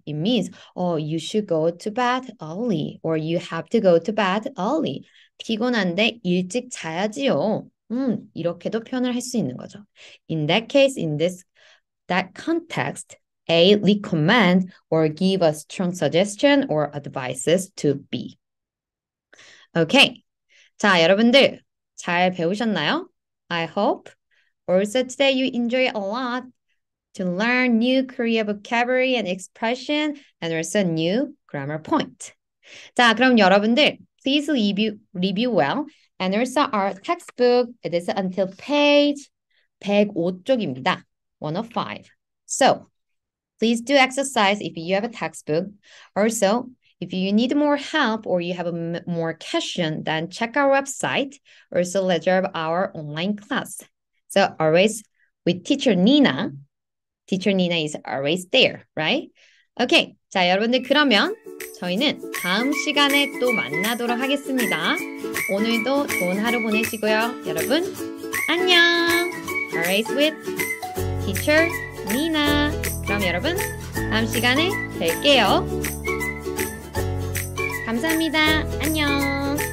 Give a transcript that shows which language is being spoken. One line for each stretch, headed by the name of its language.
English: It means, you should go to bed early or you have to go to bed early.
Korean: 피곤한데 일찍 자야지요. 이렇게도 표현을 할수 있는 거죠.
English: In that case, in this that context, A recommend or give a strong suggestion or advices to B. Okay.
Korean: 자, 여러분들 잘 배우셨나요?
English: I hope. Also, today you enjoy a lot to learn new Korean vocabulary and expression and also new grammar point.
Korean: 자, 그럼 여러분들,
English: please review well. And also our textbook, it is until page
Korean: 105쪽입니다.
English: 105. So, please do exercise if you have a textbook. Also, if you need more help or you have a more question, then check our website. Also, reserve our online class. So always with teacher Nina is always there, right?
Korean: 오케이. 자, 여러분들 그러면 저희는 다음 시간에 또 만나도록 하겠습니다. 오늘도 좋은 하루 보내시고요. 여러분, 안녕!
English: Alright, with teacher Nina.
Korean: 그럼 여러분, 다음 시간에 뵐게요. 감사합니다. 안녕!